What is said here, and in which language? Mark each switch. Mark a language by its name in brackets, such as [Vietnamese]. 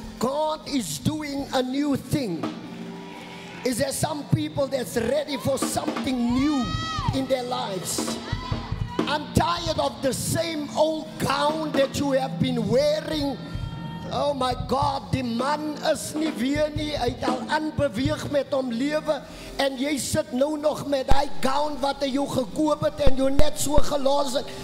[English] God is doing a new thing. Is there some people that's ready for something new in their lives? I'm tired of the same old gown that you have been wearing Oh my God, [Afrikaans] die man is nie weer nie. Hy het al aanbeweeg met hom lewe. En jy sit nou nog met die gown wat hy jou gekoop het en jou net so gelos het.